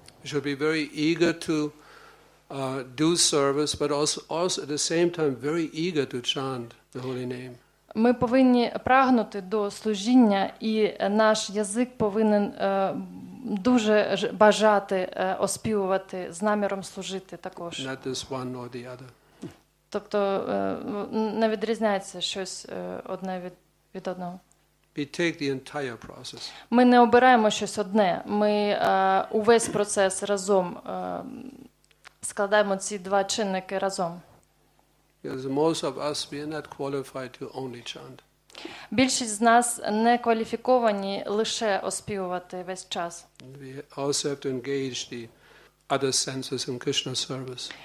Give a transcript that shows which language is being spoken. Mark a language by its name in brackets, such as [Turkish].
[English] We should be very eager to do service, but also at the same time very eager to chant the holy name. [Ukrainian] Ми повинні прагнути до служіння, і наш язик повинен дуже бажати оспівувати з наміром служити також. [English] Not this one or the other. [Ukrainian] Тобто не відрізняється щось одне від одного. [English] We take the entire process. [Ukrainian] Ми не обираємо щось одне, ми увесь процес разом складаємо ці два чинники разом. [English] Because most of us we are not qualified to only chant. [Ukrainian] Більшість з нас не кваліфіковані лише оспівувати весь час. [English] We also have to engage the other senses in Krishna service.